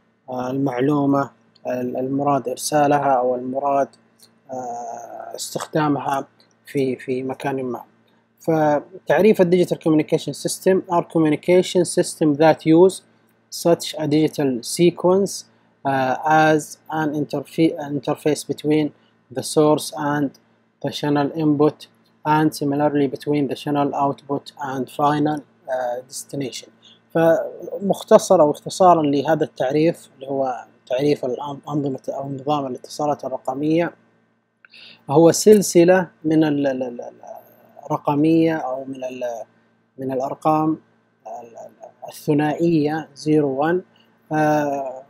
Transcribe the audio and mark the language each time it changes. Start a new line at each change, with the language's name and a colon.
Arabic: المعلومة المراد إرسالها أو المراد استخدامها في مكان ما. فتعريف الـ
English: Digital Communication System are communication system that use such a digital sequence as an interface between the source and the channel input and similarly between the channel output and final destination.
Arabic: فمختصر أو اختصارا لهذا التعريف اللي هو تعريف الأنظمة أو نظام الاتصالات الرقمية هو سلسلة من الرقمية أو من الأرقام الثنائية 01